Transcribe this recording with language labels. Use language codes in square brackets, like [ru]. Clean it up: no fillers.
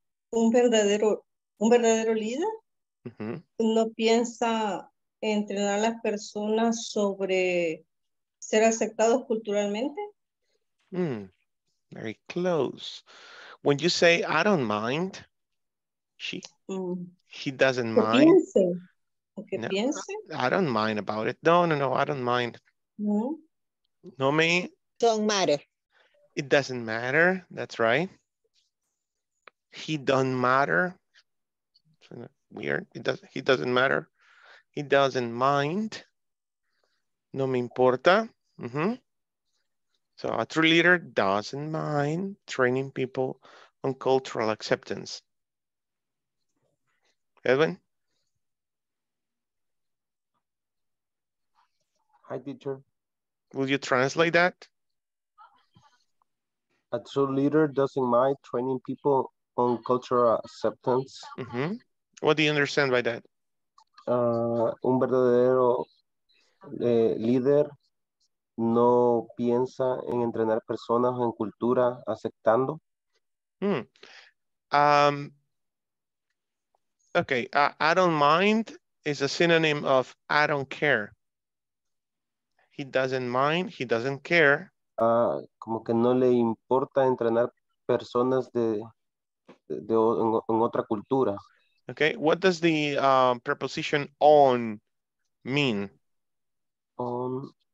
[es] Un verdadero líder no piensa entrenar a las personas sobre ser aceptados culturalmente. [en] Very close. When you say I don't mind, he doesn't mind. [es] ¿Qué piense? [en] I don't mind about it. No, I don't mind. No. [es] No me. [en] Don't matter. It doesn't matter. That's right. He don't matter. Weird. He doesn't matter. He doesn't mind. [es] No me importa. [en] Mm-hmm. So a true leader doesn't mind training people on cultural acceptance. Edwin? Hi, teacher. Will you translate that? A true leader doesn't mind training people on cultural acceptance. Mm-hmm. What do you understand by that? [es] Un verdadero líder no piensa en entrenar personas en cultura aceptando. [en] Okay, I don't mind is a synonym of I don't care. He doesn't mind, he doesn't care. [es] Como que no le importa entrenar personas en otra cultura. [en] Okay, what does the preposition on mean? On.